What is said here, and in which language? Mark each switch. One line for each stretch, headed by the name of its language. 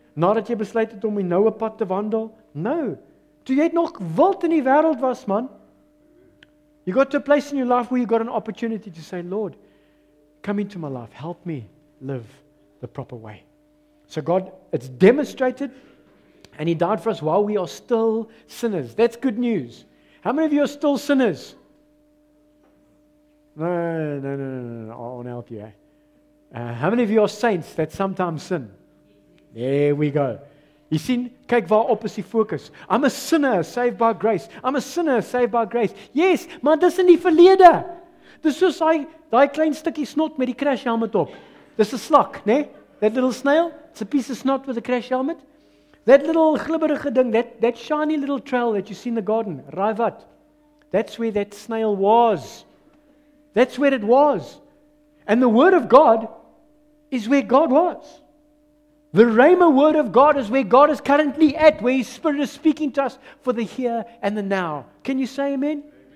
Afrikaans: Nadat jy besluit het om die noue pad te wandel?
English: No.
Afrikaans: Toe jy nog wild in die wêreld was, man.
English: You got to a place in your life where you got an opportunity to say, Lord, come into my life. Help me live the proper way. So God, it's demonstrated and He died for us while we are still sinners. That's good news. How many of you are still sinners? No. I won't help you. How many of you are saints that sometimes sin? There we go. You see,
Afrikaans: kyk waar op is die fokus.
English: I'm a sinner saved by grace. I'm a sinner saved by grace. Yes,
Afrikaans: maar dis in die verlede. Dis soos daai klein stukkie snot met die crash helmet op. Dis 'n slak, né?
English: That little snail, it's a piece of snot with a crash helmet. That little glibberige ding, that shiny little trail that you see in the garden, Raivat. That's where that snail was. That's where it was. And the word of God is where God was. The Rhema word of God is where God is currently at, where His Spirit is speaking to us for the here and the now. Can you say amen? Amen.